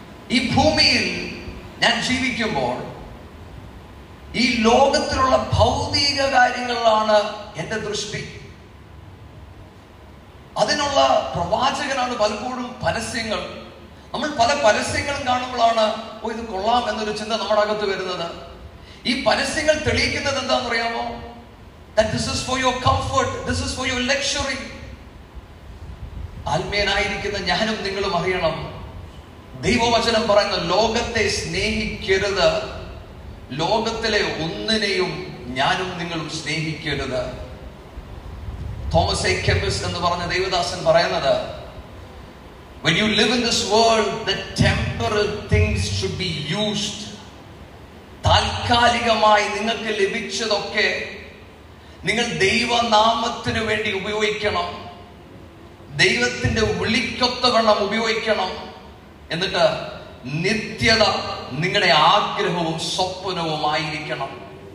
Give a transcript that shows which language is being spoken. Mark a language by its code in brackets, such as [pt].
[ml] ഈ ഭൂമിയിൽ ഞാൻ ജീവിക്കുമ്പോൾ ഈ ലോകത്തിലുള്ള ഭൗതിക കാര്യങ്ങളിലാണ് എന്റെ ദൃഷ്ടി. അതിനുള്ള പ്രവാചകനാണ് പലപ്പോഴും പരസ്യങ്ങൾ. നമ്മൾ പല പരസ്യങ്ങളും കാണുമ്പോഴാണ് ഓ ഇത് കൊള്ളാം എന്നൊരു ചിന്ത നമ്മുടെ അകത്ത് വരുന്നത്. ഈ പരസ്യങ്ങൾ തെളിയിക്കുന്നത് എന്താണെന്നറിയാമോ? [en] That this is for your comfort, this is for your luxury. [ml] ആത്മീയനായിരിക്കുന്ന ഞാനും നിങ്ങളും അറിയണം, ദൈവവചനം പറയുന്ന ലോകത്തെ സ്നേഹിക്കരുത്, ലോകത്തിലെ ഒന്നിനെയും ഞാനും നിങ്ങളും സ്നേഹിക്കരുത്. തോമസ് എ കെംപസ് എന്ന് പറഞ്ഞ ദൈവദാസൻ പറയുന്നത് [en] When you live in this world, the temporal things should be used. [ml] താൽക്കാലികമായി നിങ്ങൾക്ക് ലഭിച്ചതൊക്കെ നിങ്ങൾ ദൈവനാമത്തിന് വേണ്ടി ഉപയോഗിക്കണം, ദൈവത്തിന്റെ വിളിക്കൊത്ത വണ്ണം ഉപയോഗിക്കണം. എന്നിട്ട് നിത്യത നിങ്ങളുടെ ആഗ്രഹവും സ്വപ്നവുമായിരിക്കണം.